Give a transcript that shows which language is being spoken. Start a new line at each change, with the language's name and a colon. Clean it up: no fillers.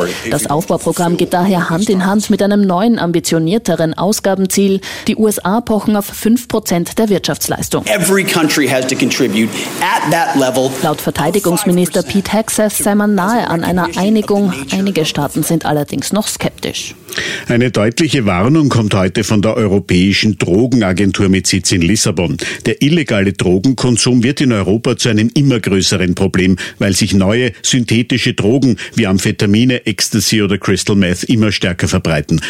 German: Das Aufbauprogramm geht daher Hand in Hand mit einem neuen, ambitionierteren Ausgabenziel. Die USA pochen auf 5% der Wirtschaftsleistung.
English: Every country has to contribute at that level.
German: Laut Verteidigungsminister Pete Hegseth sei man nahe an einer Einigung. Einige Staaten sind allerdings noch skeptisch. Eine deutliche Warnung kommt heute von der Europäischen Drogenagentur mit Sitz in Lissabon. Der illegale Drogenkonsum wird in Europa zu einem immer größeren Problem, weil sich neue synthetische Drogen wie Amphetamine, Ecstasy oder Crystal Meth immer stärker verbreiten.